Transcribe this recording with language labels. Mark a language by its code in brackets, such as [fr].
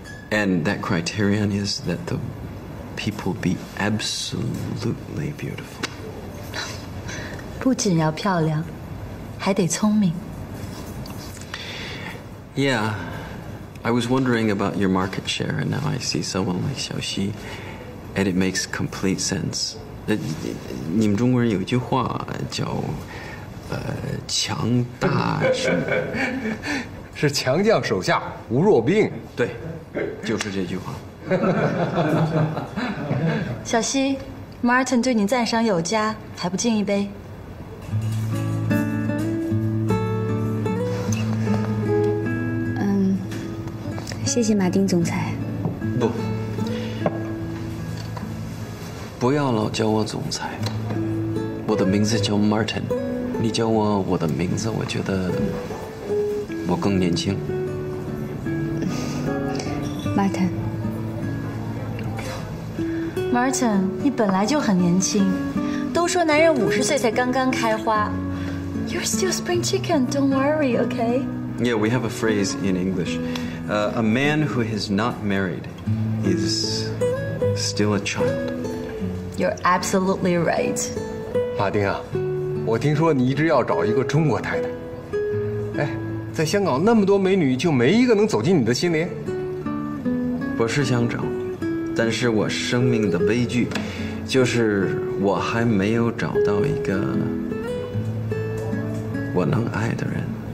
[en] And that criterion is that the people be absolutely beautiful. [zh] 不仅要漂亮，还得聪明。 [en] Yeah, I was wondering about your market share, and now I see someone like Xiao Xi, and it makes complete sense. [zh] 你们中国人有句话叫，强大什么？是强将手下无弱兵。对，就是这句话。小西 ，Martin 对你赞赏有加，还不敬一杯？谢谢马丁总裁。不，不要老叫我总裁，我的名字叫 Martin， 你叫我的名字，我觉得我更年轻。 Martin。 Martin， 你本来就很年轻，都说男人50岁才刚刚开花。 [en] You're still spring chicken, don't worry, okay? Yeah, we have a phrase in English. A man who has not married is still a child. You're absolutely right. [zh] 马丁啊，我听说你一直要找一个中国太太。哎，在香港那么多美女，就没一个能走进你的心里？我是想找，但是我生命的悲剧就是我还没有找到一个我能爱的人。